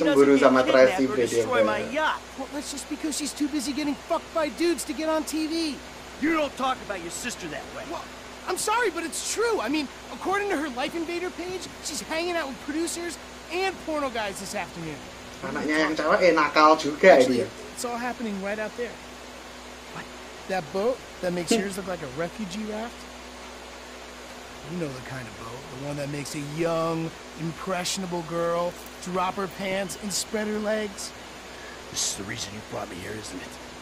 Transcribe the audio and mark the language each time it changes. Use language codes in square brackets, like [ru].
[en] doesn't get kidnapped or destroy my yacht. Well, that's just because she's too busy getting fucked by dudes to get on TV. You don't talk about your sister that way. Well, I'm sorry, but it's true. I mean, according to her Life Invader page, she's hanging out with producers and porno guys this afternoon. [id] Anaknya yang cewek nakal juga ini. [en] It's all happening right out there. That boat that makes yours look like a refugee raft? You know the kind of boat. The one that makes a young, impressionable girl drop her pants and spread her legs. This is the reason you brought me here, isn't it?